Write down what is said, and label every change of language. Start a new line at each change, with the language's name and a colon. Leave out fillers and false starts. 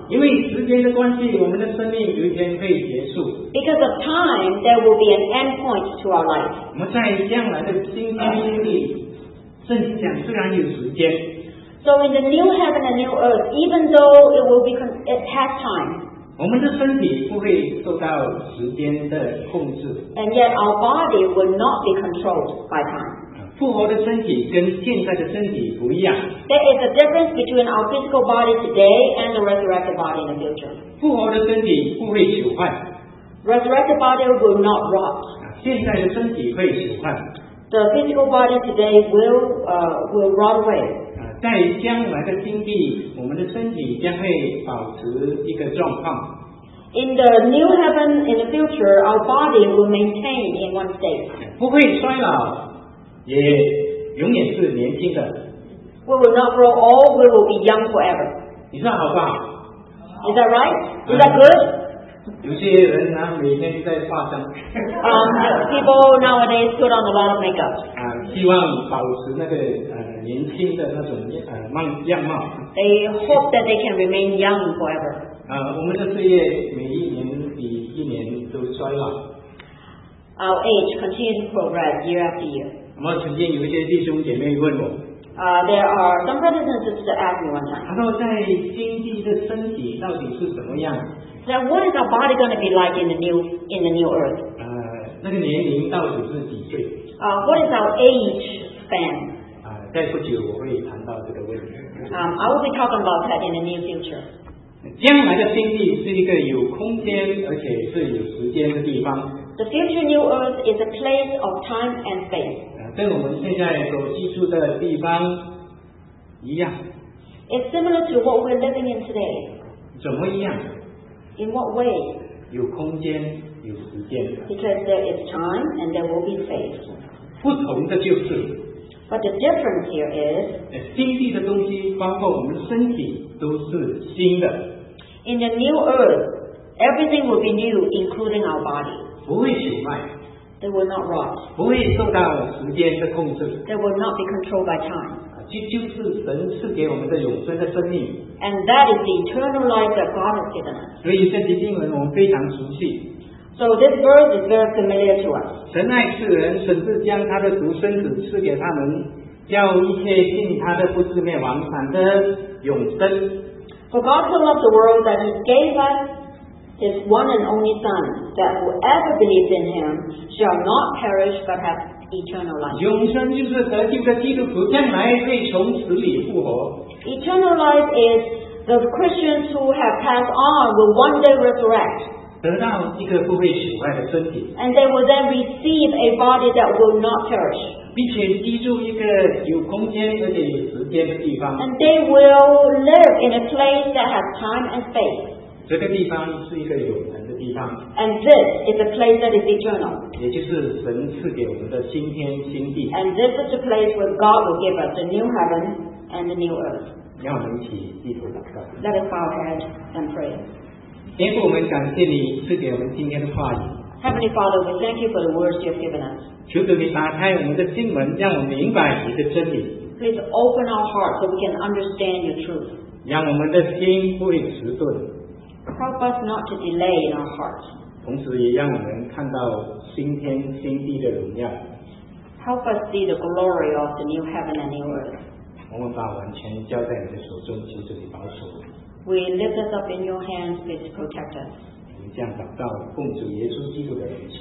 Chinese: 因为时间的关系，我们的生命有一天会结束。
English: Because of time, there will be an end point to our life.
Chinese: 我们在将来的新天新地，圣经讲虽然有时间。
English: So in the new heaven and new earth, even though it will be, it has time.
Chinese: 我们的身体不会受到时间的控制。
English: And yet our body will not be controlled by time.
Chinese: 复活的身体跟现在的身体不一样。
English: There is a difference between our physical body today and the resurrected body in the future.
Chinese: 复活的身体不会朽坏。
English: Resurrected body will not rot.
Chinese: 现在的身体会朽坏。
English: The physical body today will rot away.
Chinese: 在将来的经济，我们的身体将会保持一个状况。
English: In the new heaven in the future, our body will maintain in one state.
Chinese: 不会衰老，也永远是年轻的。
English: We will not grow old, we will be young forever.
Chinese: 你说好不好？
English: Is that right? Is that good?
Chinese: 有些人呢，每天就在化妆。
English: people nowadays put on a lot of makeup.
Chinese: 希望保持那个年轻的那种样貌。
English: They hope that they can remain young forever.
Chinese: 我们的岁月每一年比一年都衰老。
English: Our age continues to progress year after year.
Chinese: 那么曾经有一些弟兄姐妹问我。
English: There are some brothers and sisters that asked me one time.
Chinese: 他说在经济的身体到底是怎么样？
English: So what is our body going to be like in the new earth?
Chinese: 那个年龄到底是几岁？
English: What is our age span?
Chinese: 在不久我会谈到这个问题。
English: I will be talking about that in the near future.
Chinese: 将来的天地是一个有空间而且是有时间的地方。
English: The future new earth is a place of time and space.
Chinese: 跟我们现在所居住的地方一样。
English: It's similar to what we're living in today.
Chinese: 怎么一样？
English: In what way?
Chinese: 有空间，有时间。
English: Because there is time and there will be space.
Chinese: 不同的就是。
English: But the difference here is,
Chinese: 经济的东西包括我们身体都是新的。
English: In the new earth, everything will be new, including our body.
Chinese: 不会朽坏。
English: They will not rot.
Chinese: 不会受到时间的控制。
English: They will not be controlled by time.
Chinese: 就是神赐给我们的永生的生命。
English: And that is the eternal life that God has given us.
Chinese: 所以圣经经文我们非常熟悉。
English: So this verse is very familiar to us.
Chinese: 神爱世人，甚至将他的独生子赐给他们，叫一切信他的不至灭亡，反得永生。
English: For God so loved the world that he gave us his one and only Son, that whoever believes in him shall not perish but have eternal life.
Chinese: 永生就是得救的基督徒将来会从死里复活。
English: Eternal life is the Christians who have passed on will one day resurrect.
Chinese: 得到一个不会朽坏的身体
English: ，and they will then receive a body that will not perish，
Chinese: 并且居住一个有空间而且有时间的地方
English: ，and they will live in a place that has time and space。
Chinese: 这个地方是一个永恒的地方
English: ，and this is a place that is eternal，
Chinese: 也就是神赐给我们的新天新地
English: ，and this is the place where God will give us the new heaven and the new earth。
Chinese: 让我们一起低头祷告
English: ，let us bow our heads and pray。
Chinese: 天父，我们感谢你赐给我们今天的话语。
English: Heavenly Father, we thank you for the words you have given us.
Chinese: 求主你打开我们的心门，让我们明白你的真理。
English: Please open our hearts so we can understand your truth.
Chinese: 让我们的心不会迟钝。
English: Help us not to delay in our hearts.
Chinese: 同时也让我们看到新天新地的荣耀。
English: Help us see the glory of the new heaven and new earth.
Chinese: 我们把完全交在你的手中，求主你保守。
English: We lift us up in your hands, please protect us.
Chinese: 我们这样祷告，奉主耶稣基督的名。